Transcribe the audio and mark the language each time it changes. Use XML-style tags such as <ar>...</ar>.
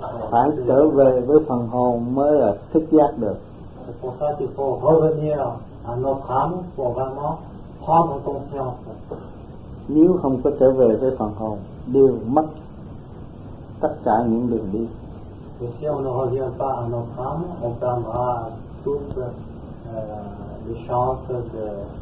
<vi>Phải trở về với phần hồn mới là thức giác được.</vi> <fr>C'est pour ça qu'il faut revenir à notre âme pour vraiment prendre conscience.</fr> <vi>Nếu không có trở về với phần hồn, đều mất tất cả những đường đi.</vi> <fr>Et si on ne revient pas à notre âme, on perdra toutes les chances de</fr>